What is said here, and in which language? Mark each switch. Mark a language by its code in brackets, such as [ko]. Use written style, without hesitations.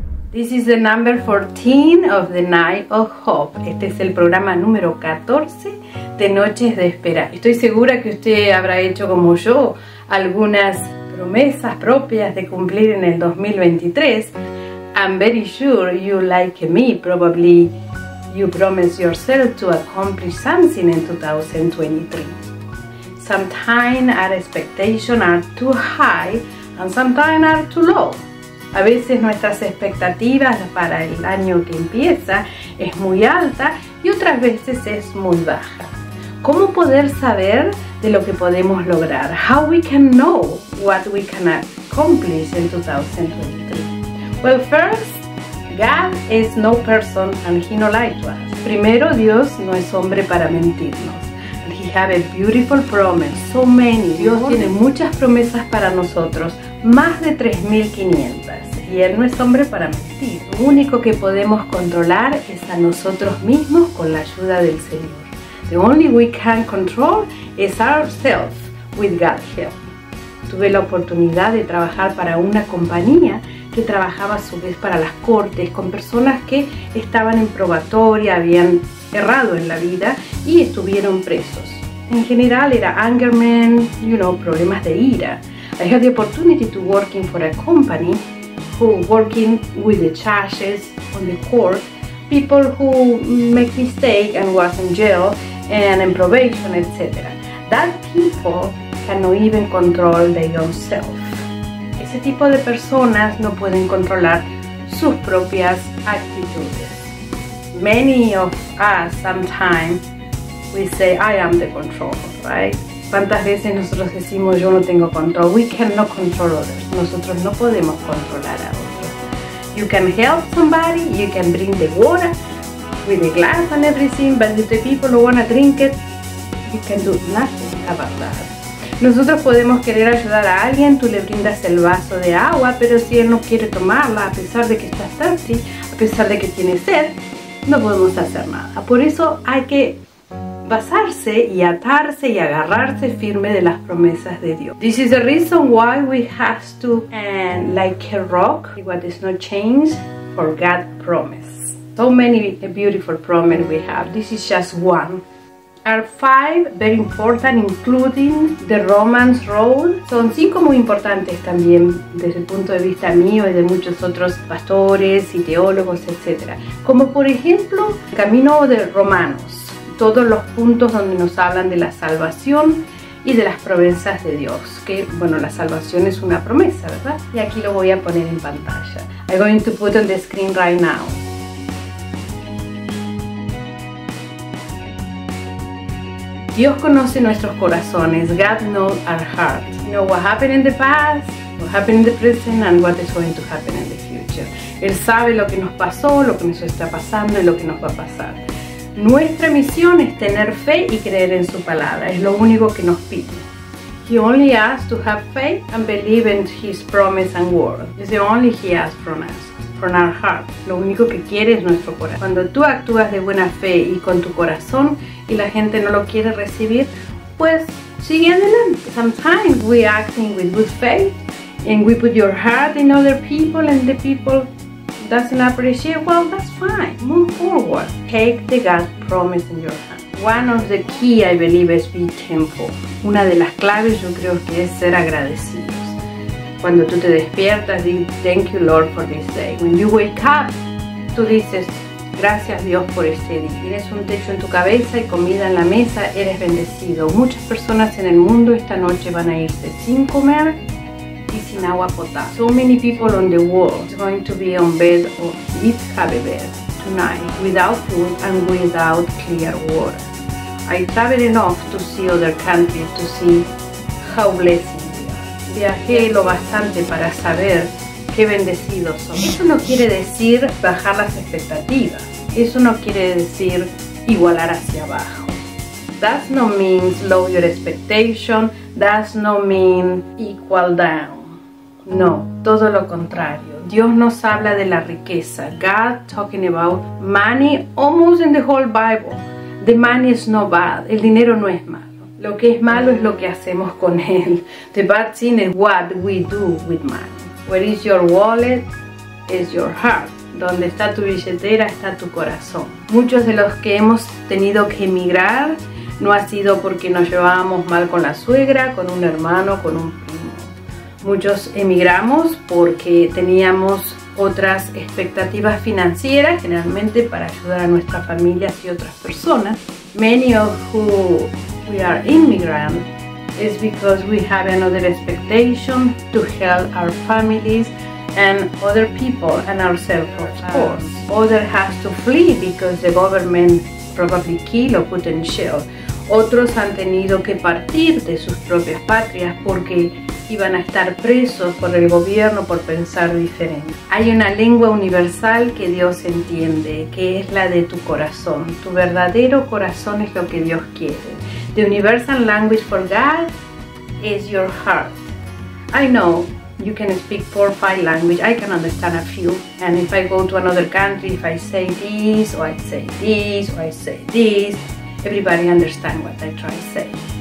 [en] This is the number 14 of the Night of Hope. [es] Este es el programa número 14 de Noches de Espera. Estoy segura que usted habrá hecho como yo algunas promesas propias de cumplir en el 2023. [en] I'm very sure you like me. Probably you promise yourself to accomplish something in 2023. Sometimes our expectations are too high and sometimes are too low. [es] A veces nuestras expectativas para el año que empieza es muy alta y otras veces es muy baja. ¿Cómo poder saber de lo que podemos lograr? [en] How we can know what we can accomplish in 2023? Well, first, God is no person and he no lie to us. [es] Primero, Dios no es hombre para mentirnos. [en] And he have a beautiful promise, so many. [es] Dios tiene muchas promesas para nosotros, más de 3.500. Y él no es hombre para mentir. Lo único que podemos controlar es a nosotros mismos con la ayuda del Señor. [en] The only we can control is ourselves with God's help. [es] Tuve la oportunidad de trabajar para una compañía que trabajaba a su vez para las cortes con personas que estaban en probatoria, habían errado en la vida y estuvieron presos. En general era angerman, [en] you know, [es] problemas de ira. [en] I had the opportunity to work for a company who working with the charges on the court, people who make mistake and was in jail and in probation, etc. That people cannot even control their own self. [es] Ese tipo de personas no pueden controlar sus propias actitudes. [en] Many of us sometimes we say I am the controller, right? [es] ¿Cuántas veces nosotros decimos yo no tengo control? [en] We cannot control others. [es] Nosotros no podemos controlar a otros. [en] You can help somebody, you can bring the water with the glass and everything, but if the people don't want to drink it, you can do nothing about that. [es] Nosotros podemos querer ayudar a alguien, tú le brindas el vaso de agua, pero si él no quiere tomarla, a pesar de que está thirsty, a pesar de que tiene sed, no podemos hacer nada. Por eso hay que basarse y atarse y agarrarse firme de las promesas de Dios. [en] This is the reason why we have to, and like a rock, what is not changed for God's promise. So many beautiful promises we have. This is just one. Are five very important, including the romance role. [es] Son cinco muy importantes también desde el punto de vista mío y de muchos otros pastores y teólogos, etc. Como por ejemplo, el camino de Romanos. Todos los puntos donde nos hablan de la salvación y de las promesas de Dios. Que, bueno, la salvación es una promesa, ¿verdad? Y aquí lo voy a poner en pantalla. [en] I'm going to put on the screen right now. [es] Dios conoce nuestros corazones. [en] God knows our hearts. You know what happened in the past, what happened in the present, and what is going to happen in the future. [es] Él sabe lo que nos pasó, lo que nos está pasando y lo que nos va a pasar. Nuestra misión es tener fe y creer en su palabra. Es lo único que nos pide. [en] He only asks to have faith and believe in his promise and word. It's the only he asks from us, from our heart. [es] Lo único que quiere es nuestro corazón. Cuando tú actúas de buena fe y con tu corazón y la gente no lo quiere recibir, pues sigue adelante. [en] Sometimes we acting with good faith and we put your heart in other people and the people doesn't appreciate, well, that's fine. Move forward. Take the God promise in your hand. One of the key, I believe, is be thankful. [es] Una de las claves, yo creo, que es ser agradecidos. Cuando tú te despiertas, di, [en] thank you, Lord, for this day. When you wake up, [es] tú dices, gracias, Dios, por este día. Tienes un techo en tu cabeza y comida en la mesa, eres bendecido. Muchas personas en el mundo esta noche van a irse sin comer y sin agua potable. [en] So many people on the world are going to be on bed or eat have a bed tonight without food and without clear water. I travel enough to see other countries to see how blessed we are. [es] Viajé lo bastante para saber qué bendecidos son. Eso no quiere decir bajar las expectativas. Eso no quiere decir igualar hacia abajo. [en] That's no means lower your expectation. That's no mean equal down. [es] No, todo lo contrario. Dios nos habla de la riqueza. [en] God talking about money almost in the whole Bible. The money is not bad. [es] El dinero no es malo. Lo que es malo es lo que hacemos con él. [en] The bad thing is what we do with money. Where is your wallet? Is your heart. [es] donde está tu billetera, está tu corazón. Muchos de los que hemos tenido que emigrar no ha sido porque nos llevábamos mal con la suegra, con un hermano, con un primo. Muchos emigramos porque teníamos otras expectativas financieras, generalmente para ayudar a nuestras familias y otras personas. [en] Many of who we are immigrants is because we have another expectation to help our families and other people and ourselves, of course. Others have to flee because the government probably killed or put in jail. [es] Otros han tenido que partir de sus propias patrias porque iban a estar presos por el gobierno por pensar diferente. Hay una lengua universal que Dios entiende, que es la de tu corazón. Tu verdadero corazón es lo que Dios quiere. [en] The universal language for God is your heart. I know you can speak 4 or 5 languages. I can understand a few. And if I go to another country, if I say this, or I say this, or I say this, everybody understands what I try to say.